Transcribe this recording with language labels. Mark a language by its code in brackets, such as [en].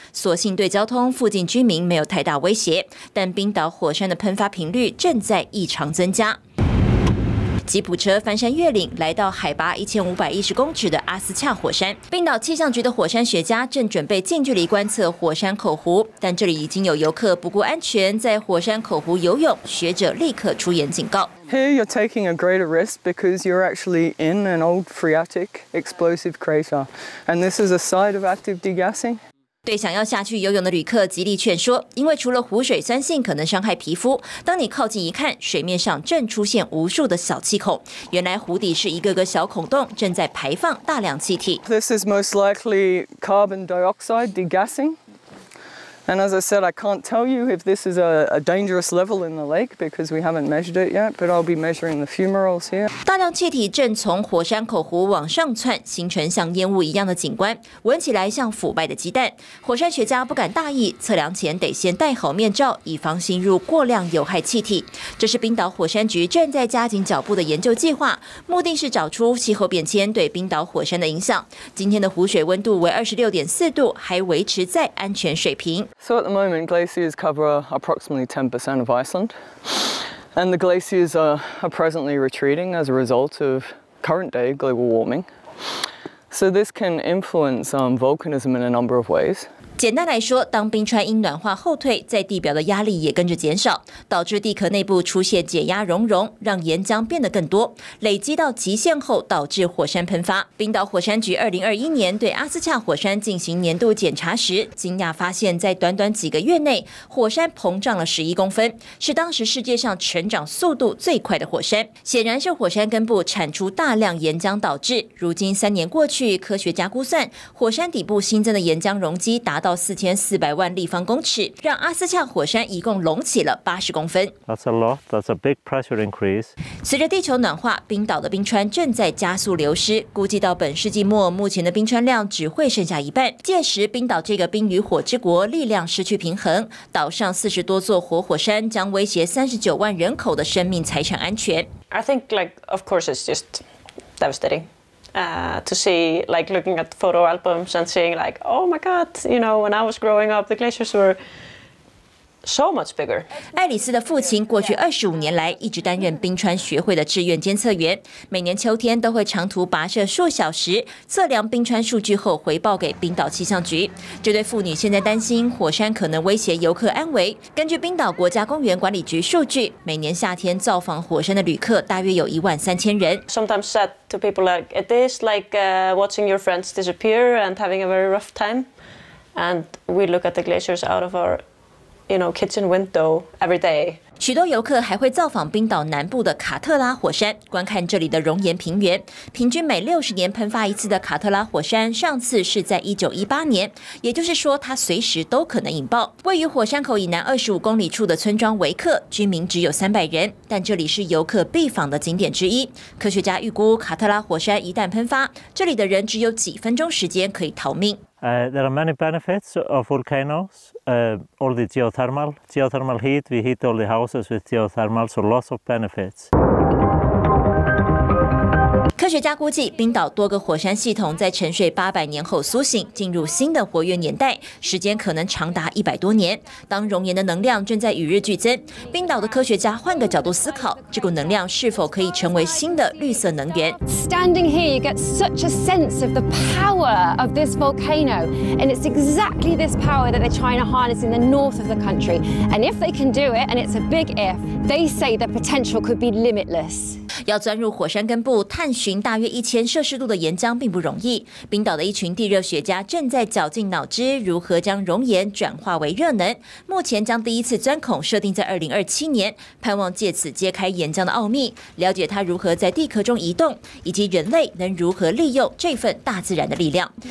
[zh] 所幸对交通、附近居民没有太大威胁，但冰岛火山的喷发频率正在异常增加。吉普车翻山越岭来到海拔1510公尺的阿斯恰火山，冰岛气象局的火山学家正准备近距离观测火山口湖，但这里已经有游客不顾安全在火山口湖游泳，学者立刻出言警告。 [en] Here you're taking a greater risk because you're actually in an old phreatic explosive crater, and this is a site of active degassing. [zh] 对想要下去游泳的旅客极力劝说，因为除了湖水酸性可能伤害皮肤，当你靠近一看，水面上正出现无数的小气孔，原来湖底是一个个小孔洞，正在排放大量气体。 [en] This is most likely carbon dioxide degassing, and as I said, I can't tell you if this is a dangerous level in the lake because we haven't measured it yet, but I'll be measuring the fumaroles here. [zh] 大量气体正从火山口湖往上窜，形成像烟雾一样的景观，闻起来像腐败的鸡蛋。火山学家不敢大意，测量前得先戴好面罩，以防吸入过量有害气体。这是冰岛火山局正在加紧脚步的研究计划，目的是找出气候变迁对冰岛火山的影响。今天的湖水温度为26.4度，还维持在安全水平。 [en] So at the moment, glaciers cover approximately 10% of Iceland. And the glaciers are presently retreating as a result of current day global warming. So this can influence volcanism in a number of ways. [zh] 简单来说，当冰川因暖化后退，在地表的压力也跟着减少，导致地壳内部出现解压熔融，让岩浆变得更多，累积到极限后导致火山喷发。冰岛火山局2021年对阿斯恰火山进行年度检查时，惊讶发现，在短短几个月内，火山膨胀了11公分，是当时世界上成长速度最快的火山。显然是火山根部产出大量岩浆导致。如今3年过去，科学家估算，火山底部新增的岩浆容积达到4400万立方公尺，让阿斯恰火山一共隆起了80公分。 [en] That's a lot. That's a big pressure increase. [zh] 随着地球暖化，冰岛的冰川正在加速流失。估计到本世纪末，目前的冰川量只会剩下一半。届时，冰岛这个冰与火之国力量失去平衡，岛上40多座活火山将威胁39万人口的生命财产安全。 [en] I think, like, of course, it's just devastating. To see, like, looking at photo albums and seeing, like, oh my God, you know, when I was growing up, the glaciers were so much bigger. [zh] 爱丽丝的父亲过去25年来一直担任冰川学会的志愿监测员，每年秋天都会长途跋涉数小时，测量冰川数据后回报给冰岛气象局。这对父女现在担心火山可能威胁游客安危。根据冰岛国家公园管理局数据，每年夏天造访火山的旅客大约有13000人。 [en] Sometimes said to people like it is like watching your friends disappear and having a very rough time. And we look at the glaciers out of our, you know, kitchen window every day. [zh] 许多游客还会造访冰岛南部的卡特拉火山，观看这里的熔岩平原。平均每60年喷发一次的卡特拉火山，上次是在1918年，也就是说，它随时都可能引爆。位于火山口以南25公里处的村庄维克，居民只有300人，但这里是游客必访的景点之一。科学家预估，卡特拉火山一旦喷发，这里的人只有几分钟时间可以逃命。 [en] There are many benefits of volcanoes. All the geothermal heat. We heat all the houses with geothermal, so lots of benefits. [zh] 科学家估计，冰岛多个火山系统在沉睡800年后苏醒，进入新的活跃年代，时间可能长达100多年。当熔岩的能量正在与日俱增，冰岛的科学家换个角度思考，这股能量是否可以成为新的绿色能源 [en] ？Standing here, you get such a sense of the power of this volcano, and it's exactly this power that they're trying to harness in the north of the country. And if they can do it, and it's a big if, they say the potential could be limitless. [zh] 要钻入火山根部探寻大约1000摄氏度的岩浆并不容易。冰岛的一群地热学家正在绞尽脑汁，如何将熔岩转化为热能。目前将第一次钻孔设定在2027年，盼望借此揭开岩浆的奥秘，了解它如何在地壳中移动，以及人类能如何利用这份大自然的力量。